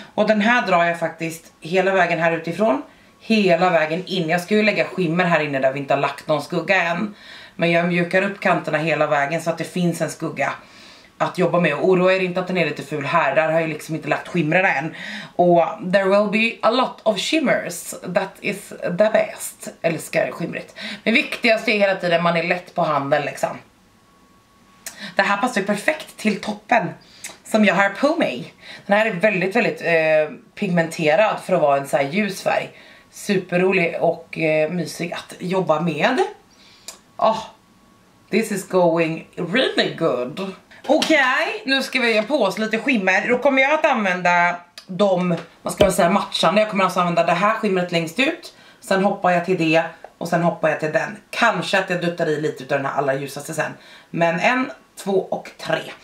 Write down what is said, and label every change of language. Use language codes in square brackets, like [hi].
[sv] Och den här drar jag faktiskt hela vägen här utifrån. Hela vägen in. Jag ska ju lägga skimmer här inne där vi inte har lagt någon skugga än. Men jag mjukar upp kanterna hela vägen så att det finns en skugga att jobba med. Och oroa er inte att den är lite ful här. Där har jag liksom inte lagt skimmerna än. [en] Och there will be a lot of shimmers. That is the best. [sv] Älskar skimrigt. Men viktigast är hela tiden man är lätt på handen liksom. Det här passar ju perfekt till toppen som jag har på mig. Den här är väldigt, väldigt pigmenterad för att vara en så här ljus färg. Superrolig och mysig att jobba med. [en] Oh, this is going really good. [sv] Okej, nu ska vi ge på oss lite skimmer. Då kommer jag att använda de, vad ska man säga, matchande. Jag kommer alltså använda det här skimret längst ut. Sen hoppar jag till det och sen hoppar jag till den. Kanske att jag duttar i lite av den här allra ljusaste sen. Men 1, 2 och 3.